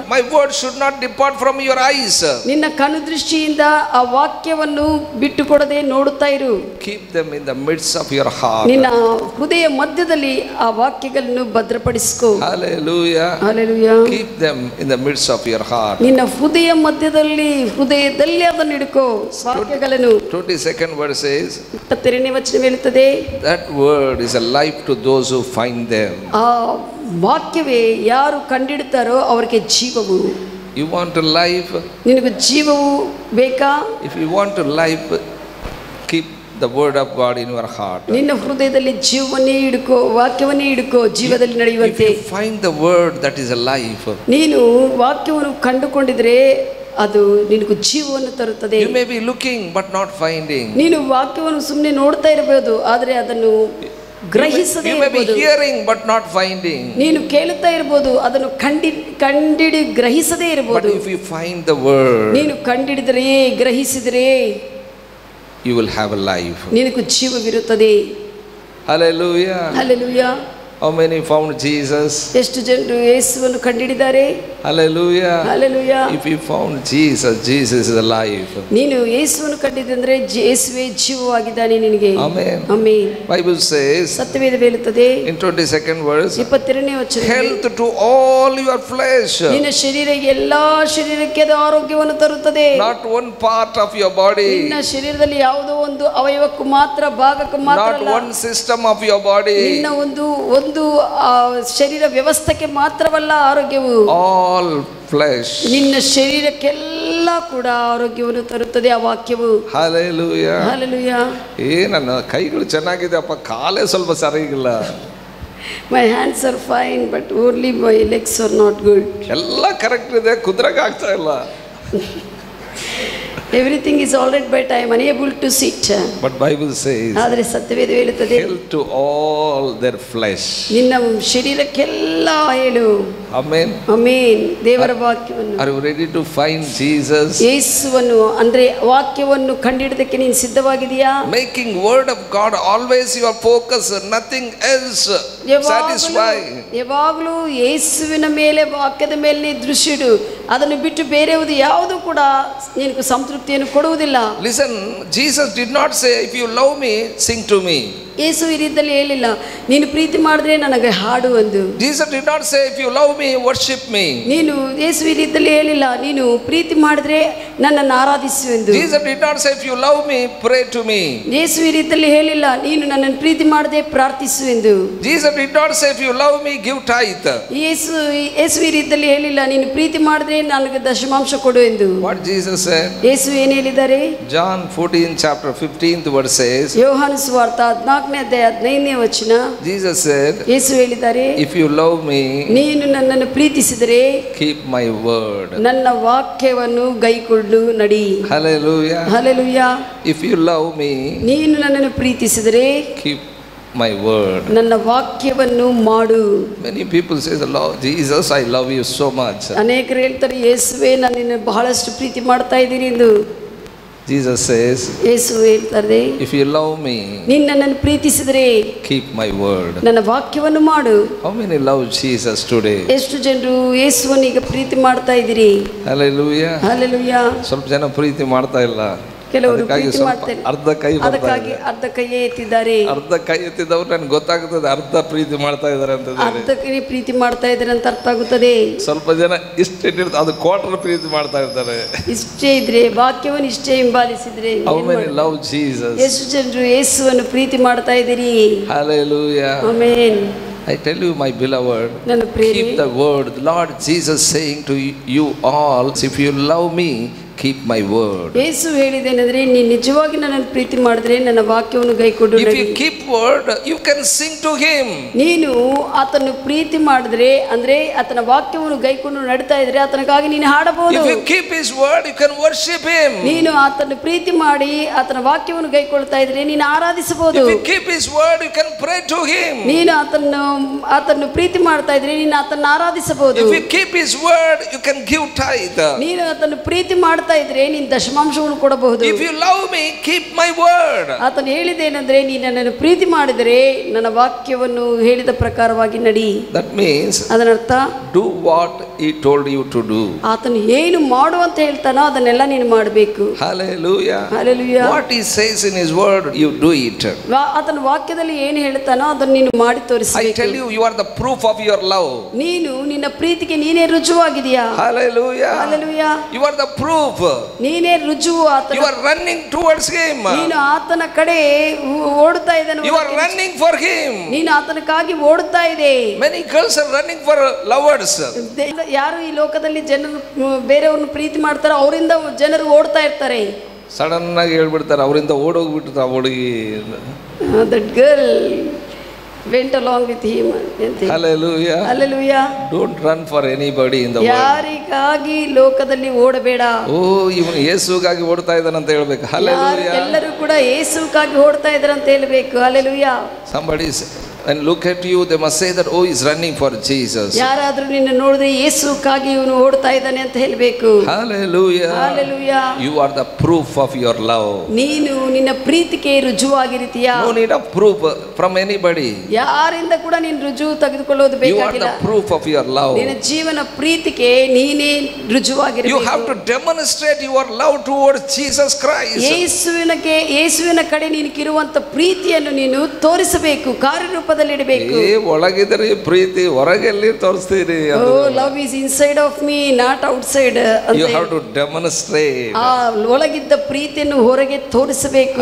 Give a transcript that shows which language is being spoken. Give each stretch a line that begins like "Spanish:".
English: My word should not depart from your eyes.
Kannada: ನಿನ್ನ ಕಣ್ಣುದೃಷ್ಟಿಯಿಂದ ಆ ವಾಕ್ಯವನ್ನು ಬಿಟ್ಟುಕೊಡದೆ ನೋಡುತ್ತಾ ಇರು.
English: Keep them in the midst of your heart.
Kannada: ನಿನ್ನ ಹೃದಯ ಮಧ್ಯದಲ್ಲಿ ಆ ವಾಕ್ಯಗಳನ್ನು ಭದ್ರಪಡಿಸಿಕೋ.
English: Hallelujah. Hallelujah. Keep them in the midst of your heart.
Kannada: ನಿನ್ನ ಹೃದಯ ಮಧ್ಯದಲ್ಲಿ, ಹೃದಯದಲ್ಲಿ ಅದನ್ನು ಇಡ್ಕೋ ವಾಕ್ಯಗಳನ್ನು.
English: 22nd verse is,
Kannada: 23ನೇ ವಚನ ಹೇಳುತ್ತದೆ,
English: that word is a life to those who find them.
Kannada: ಆ ವಾಕ್ಯವೇ ಯಾರು ಕಂಡಿಡುತ್ತಾರೋ ಅವರಿಗೆ ಜೀವವು.
English: you want to life,
Kannada: ನಿನಗೆ ಜೀವವು ಬೇಕಾ?
English: If you want to life, keep the word of God in your heart.
Kannada: ನಿನ್ನ ಹೃದಯದಲ್ಲಿ ಜೀವವನ್ನೇ ಇಡ್ಕೋ, ವಾಕ್ಯವನ್ನೇ ಇಡ್ಕೋ, ಜೀವದಲ್ಲಿ ನಡೆಯುವಂತೆ.
English: find the word that is a life,
Kannada: ನೀನು ವಾಕ್ಯವನ್ನು ಕಂಡುಕೊಂಡಿದ್ರೆ ಅದು ನಿನಗೆ ಜೀವವನ್ನು ತರುತ್ತದೆ.
English: You may be looking but not finding.
Kannada: ನೀನು ವಾಕ್ಯವನ್ನು ಸುಮ್ಮನೆ ನೋಡ್ತಾ ಇರಬಹುದು, ಆದರೆ ಅದನ್ನು ಗ್ರಹಿಸದೇ.
English: You may be hearing but not finding.
Kannada: ನೀನು ಕೇಳುತ್ತಾ ಇರಬಹುದು, ಅದನ್ನು ಕಂಡಿಡಿ ಗ್ರಹಿಸದೇ ಇರಬಹುದು.
English: But if you find the word,
Kannada: ನೀನು ಕಂಡಿಡಿದರೆ, ಗ್ರಹಿಸಿದರೆ,
English: you will have a life.
Kannada: ನಿನಗೆ ಜೀವವಿರುತ್ತದೆ.
English: Hallelujah. Hallelujah. How many found Jesus?
Kannada: ಎಷ್ಟು ಜನರು ಯೇಸುವನ್ನು ಕಂಡಿಡಿದ್ದಾರೆ?
English: Hallelujah. Hallelujah. If you found Jesus, Jesus is alive.
Kannada: ನೀನು ಯೇಸುವನ್ನು ಕಂಡಿದ್ದಂದ್ರೆ ಯೇಸುವೇ ಜೀವವಾಗಿದ್ದಾನೆ ನಿನಗೆ.
English: Amen. Amen. Bible says,
Kannada: ಸತ್ಯವೇದ ಹೇಳುತ್ತದೆ,
English: in 22nd verse,
Kannada: 22ನೇ ವಚನ,
English: health to all your flesh.
Kannada: ನಿನ್ನ ಶರೀರ ಎಲ್ಲಾ ಶರೀರಕ್ಕೆ ಆರೋಗ್ಯವನ್ನು ತರುತ್ತದೆ.
English: Not one part of your body.
Kannada: ನಿನ್ನ ಶರೀರದಲ್ಲಿ ಯಾವುದೋ ಒಂದು ಅವಯವಕ್ಕೂ ಮಾತ್ರ, ಭಾಗಕ್ಕೂ ಮಾತ್ರ.
English: Not one system of your body.
Kannada: ನಿನ್ನ ಒಂದು ಒಂದು ಶರೀರ ವ್ಯವಸ್ಥೆಗೆ ಮಾತ್ರವಲ್ಲ ಆರೋಗ್ಯವು.
English: all flesh,
Kannada: ನಿನ್ನ ಶರೀರಕ್ಕೆಲ್ಲ ಕೂಡ ಆರೋಗ್ಯವನ್ನು ತರುತ್ತದೆ ಆ ವಾಕ್ಯವು. Hallelujah, hallelujah. ಏನನ್ನ, ಕೈಗಳು ಚೆನ್ನಾಗಿದೆ ಅಪ್ಪ, ಕಾಲೇ ಸ್ವಲ್ಪ ಸರಿಯಿಲ್ಲ.
English: My hands are fine but only my legs are not good.
Kannada: ಎಲ್ಲ ಕರೆಕ್ಟ್ ಇದೆ, ಕುದುರೆಗೆ ಆಗ್ತಾ ಇಲ್ಲ.
English: Everything is all right but I am unable to sit. But Bible says,
Kannada: ಆದರೆ ಸತ್ಯವೇದ ಹೇಳುತ್ತದೆ,
English: health to all their flesh.
Kannada: ನಿನ್ನ ಶರೀರಕ್ಕೆಲ್ಲ ಹೇಳು.
English: Amen.
Kannada: Amen. ದೇವರ ವಾಕ್ಯವನ್ನು.
English: Are you ready to find Jesus?
Kannada: ಯೇಸುವನ್ನು ಅಂದ್ರೆ ವಾಕ್ಯವನ್ನು ಕಂಡಿಡಿದಕ್ಕೆ ನೀನು ಸಿದ್ಧವಾಗಿದೆಯಾ?
English: Making word of God always your focus, nothing else satisfy.
Kannada: ಯಾವಾಗಲೂ ಯೇಸುವಿನ ಮೇಲೆ, ವಾಕ್ಯದ ಮೇಲೆ ನೀ ದೃಷ್ಟಿಡು, ಅದನ್ನು ಬಿಟ್ಟು ಬೇರೆ ಯಾವುದು ಕೂಡ ನಿನಗೆ ಸಂತೃಪ್ತಿಯನ್ನು ಕೊಡುವುದಿಲ್ಲ.
English: Listen, Jesus did not say, if you love me, sing to me.
Kannada: ಯೇಸು ಈ ರೀತಿಯಲ್ಲಿ ಹೇಳಿಲ್ಲ, ನೀನು ಪ್ರೀತಿ ಮಾಡಿದ್ರೆ ನನಗೆ ಹಾಡು ಅಂದು.
English: Jesus did not say, if you love me, worship me.
Kannada: ನೀನು ಯೇಸು ಈ ರೀತಿಯಲ್ಲಿ ಹೇಳಿಲ್ಲ, ನೀನು ಪ್ರೀತಿ ಮಾಡಿದ್ರೆ ನನ್ನನ್ನು ಆರಾಧಿಸು ಎಂದು.
English: Jesus did not say, if you love me, pray to me.
Kannada: ಯೇಸು ಈ ರೀತಿಯಲ್ಲಿ ಹೇಳಿಲ್ಲ, ನೀನು ನನ್ನನ್ನು ಪ್ರೀತಿ ಮಾಡಿದೆ ಪ್ರಾರ್ಥಿಸು ಎಂದು.
English: Jesus did not say, if you love me, give tithe.
Kannada: ಯೇಸು ಈ ರೀತಿಯಲ್ಲಿ ಹೇಳಿಲ್ಲ, ನೀನು ಪ್ರೀತಿ ಮಾಡಿದ್ರೆ ನನಗೆ ದಶಮಾಂಶ ಕೊಡು ಎಂದು.
English: What Jesus said?
Kannada: ಯೇಸು ಏನು ಹೇಳಿದ್ದಾರೆ?
English: John 14 chapter 15th verse says,
Kannada: ಯೋಹಾನ ಸುವಾರ್ತೆ 14ನೇ ಅಧ್ಯಾಯ 15ನೇ ವಚನ,
English: Jesus said,
Kannada: ಯೇಸು ಹೇಳಿದ್ದಾರೆ,
English: if you love me,
Kannada: ನೀನು ನನ್ನನ್ನು ಪ್ರೀತಿಸಿದರೆ,
English: keep my word,
Kannada: ನನ್ನ ವಾಕ್ಯವನ್ನು ಕೈಕೊಂಡು ನಡಿ.
English: Hallelujah. Hallelujah. If you love me,
Kannada: ನೀನು ನನ್ನನ್ನು ಪ್ರೀತಿಸಿದರೆ,
English: keep my word,
Kannada: ನನ್ನ ವಾಕ್ಯವನ್ನು ಮಾಡು.
English: Many people says, love Jesus, I love you so much.
Kannada: ಅನೇಕರು ಹೇಳ್ತಾರೆ, ಯೇಸುವೇ ನನ್ನನ್ನು ಬಹಳಷ್ಟು ಪ್ರೀತಿ ಮಾಡ್ತಾ ಇದ್ದೀನಿ ಎಂದು.
English: Jesus says,
Kannada: ಯೇಸು ಹೇಳ್ತಾರೆ,
English: if you love me,
Kannada: ನಿನ್ನನ್ನು ಪ್ರೀತಿಸಿದರೆ,
English: keep my word,
Kannada: ನನ್ನ ವಾಕ್ಯವನ್ನು ಮಾಡು.
English: How many love Jesus today?
Kannada: ಎಷ್ಟು ಜನರು ಯೇಸುವನ್ನು ಈಗ ಪ್ರೀತಿ ಮಾಡ್ತಾ ಇದ್ದೀರಿ?
English: Hallelujah. Hallelujah.
Kannada: ಸ್ವಲ್ಪ ಜನ ಪ್ರೀತಿ ಮಾಡ್ತಾ ಇಲ್ಲ, ಕೆಲವರು ಪ್ರೀತಿ ಮಾಡ್ತಾರೆ, ಅರ್ಧ ಕೈ ಅದಕ್ಕಾಗಿ ಅರ್ಧ ಕೈಯೇ ಎತ್ತಿದ್ದಾರೆ. ಅರ್ಧ ಕೈ ಎತ್ತಿದವ್ರು ನನಗೆ ಗೊತ್ತಾಗುತ್ತದೆ, ಅರ್ಧ ಪ್ರೀತಿ ಮಾಡ್ತಾ ಇದ್ದಾರೆ ಅಂತ. ಅರ್ಧ ಕೈ ಪ್ರೀತಿ ಮಾಡ್ತಾ ಇದ್ದಾರೆ ಅಂತ ಅರ್ಥ ಆಗುತ್ತದೆ. ಸ್ವಲ್ಪ ಜನ ಇಷ್ಟೇ ಇಟ್ಟಿರ್ತ, ಅದು ಕ್ವಾರ್ಟರ್ ಪ್ರೀತಿ ಮಾಡ್ತಾ ಇರ್ತಾರೆ. ಇಷ್ಟೇ ಇದ್ರೆ, ವಾಕ್ಯವನ್ನು ಇಷ್ಟೇ ಹಿಂಬಾಲಿಸಿದ್ರೆ.
English: How many love Jesus?
Kannada: ಎಷ್ಟು ಜನರು ಯೇಸುವನ್ನು ಪ್ರೀತಿ ಮಾಡ್ತಾ ಇದ್ದೀರಿ?
English: Hallelujah. Amen. I tell you, my beloved, keep the word. Lord Jesus saying to you all, if you love me, keep my word.
Kannada: యేసు ಹೇಳಿದನೆಂದರೆ ನೀ ನಿಜವಾಗಿ ನನ್ನನ್ನು ಪ್ರೀತಿ ಮಾಡಿದರೆ ನನ್ನ ವಾಕ್ಯವನ್ನು ಕೈಕೊಂಡು ನಡೆ.
English: If you keep word, you can sing to him.
Kannada: ನೀನು ಆತನ್ನು ಪ್ರೀತಿ ಮಾಡಿದರೆ ಅಂದ್ರೆ ಆತನ ವಾಕ್ಯವನ್ನು ಕೈಕೊಂಡು ನಡೆತಾ ಇದ್ದರೆ ಆತನಿಗಾಗಿ ನೀನು ಹಾಡಬಹುದು.
English: If you keep his word, you can worship him.
Kannada: ನೀನು ಆತನ್ನು ಪ್ರೀತಿ ಮಾಡಿ ಆತನ ವಾಕ್ಯವನ್ನು ಕೈಕೊಳ್ಳುತ್ತಾ ಇದ್ದರೆ ನೀನು ಆರಾಧಿಸಬಹುದು.
English: If you keep his word, you can pray to him.
Kannada: ನೀನು ಆತನ್ನು ಪ್ರೀತಿ ಮಾಡ್ತಾ ಇದ್ದರೆ ನೀನು ಆತನ್ನು ಆರಾಧಿಸಬಹುದು.
English: If you keep his word, you can give tithe.
Kannada: ನೀನು ಆತನ್ನು ಪ್ರೀತಿ ಮಾಡ್ತಾ ಇದ್ದರೆ ದಶಮಾಂಶವನ್ನು ಕೊಡಬಹುದು.
English: If you love me, keep my word.
Kannada: ಆತನು ಹೇಳಿದೇನೆಂದರೆ ನೀ ನನ್ನನ್ನು ಪ್ರೀತಿ ಮಾಡಿದರೆ ನನ್ನ ವಾಕ್ಯವನ್ನು ಹೇಳಿದ ಪ್ರಕಾರವಾಗಿ ನಡಿ.
English: That means,
Kannada: ಅದನರ್ಥ,
English: do what he told you to do.
Kannada: ಆತನು ಏನು ಮಾಡುವಂತ ಹೇಳ್ತಾನೋ ಅದನ್ನೆಲ್ಲ ನೀನು ಮಾಡಬೇಕು.
English: Hallelujah. Hallelujah. What he says in his word, you do it.
Kannada: ಆತನು ವಾಕ್ಯದಲ್ಲಿ ಏನು ಹೇಳ್ತಾನೋ ಅದನ್ನು ನೀನು ಮಾಡಿ ತೋರಿಸಬೇಕು.
English: I tell you, you are the proof of your love.
Kannada: ನೀನು ನಿನ್ನ ಪ್ರೀತಿಗೆ ನೀನೇ ರುಜುವಾಗಿದೀಯಾ.
English: Hallelujah. Hallelujah. You are the proof.
Kannada: ನೀನೇ ರುಜು. ಆತನ,
English: you are running towards him.
Kannada: ನೀನು ಆತನ ಕಡೆ ಓಡುತ್ತಾ ಇದ್ದಾನೆ.
English: You are running for him.
Kannada: ನೀನು ಆತನಕ್ಕಾಗಿ ಓಡುತ್ತಾ ಇದೆ.
English: Many girls are running for lovers.
Kannada: ಯಾರು ಈ ಲೋಕದಲ್ಲಿ ಜನರು ಬೇರೆಯವರನ್ನು ಪ್ರೀತಿ ಮಾಡ್ತಾರೆ ಅವರಿಂದ ಜನರು ಓಡ್ತಾ ಇರ್ತಾರೆ. ಸಡನ್ ಆಗಿ ಹೇಳ್ಬಿಡ್ತಾರೆ ಅವರಿಂದ ಓಡೋಗ್ಬಿಟ್ಟು ಹುಡುಗಿ.
English: That girl went along with him. Hallelujah. Hallelujah. Don't run for anybody in the world.
Kannada: ಯಾರಿಗಾಗಿ ಲೋಕದಲ್ಲಿ ಓಡಬೇಡ. ಓ, ಇವನು ಯೇಸುಗಾಗಿ ಓಡ್ತಾ ಇದ್ದಾನಂತ ಹೇಳ್ಬೇಕು.
English: Hallelujah.
Kannada: ಎಲ್ಲರೂ ಕೂಡ ಯೇಸುಗಾಗಿ ಓಡ್ತಾ ಇದ್ದಾರಂತ ಹೇಳ್ಬೇಕು.
English: Hallelujah. Somebody is, and look at you, they must say that, oh, he's running for Jesus.
Kannada: ಯಾರಾದರೂ ನಿನ್ನ ನೋಡಿದ್ರೆ ಯೇಸುಗಾಗಿ ಇವನು ಓಡ್ತಾ ಇದ್ದಾನೆ ಅಂತ ಹೇಳ್ಬೇಕು.
English: Hallelujah. Hallelujah. You are the proof of your love.
Kannada: ನೀನು ನಿನ್ನ ಪ್ರೀತಿಗೆ ರುಜುವಾಗಿರ್ತೀಯಾ.
English: No need of proof from anybody.
Kannada: ಯಾರಿಂದ ಕೂಡ ನೀನ್ ರುಜು ತೆಗೆದುಕೊಳ್ಳೋದು ಬೇಕಾಗಿಲ್ಲ.
English: You are the proof of your love.
Kannada: ನಿನ್ನ ಜೀವನ ಪ್ರೀತಿಗೆ ನೀನೇ ರುಜುವಾಗಿರ್ಬೇಕು.
English: You have to demonstrate your love towards Jesus Christ.
Kannada: ಯೇಸುವಿನಕ್ಕೆ ಯೇಸುವಿನ ಕಡೆ ನಿನಗಿರುವಂತ ಪ್ರೀತಿಯನ್ನು ನೀನು ತೋರಿಸಬೇಕು. ರೂಪದಲ್ಲಿ ಇಡಬೇಕು. ಒಳಗಿದ್ರೆ ಪ್ರೀತಿ, ಹೊರಗೆಲ್ಲಿ ತೋರಿಸ್ತೀರಿ?
English: Love is inside of me, not outside. You have to demonstrate.
Kannada: ಆ ಒಳಗಿದ್ದ ಪ್ರೀತಿಯನ್ನು ಹೊರಗೆ ತೋರಿಸಬೇಕು.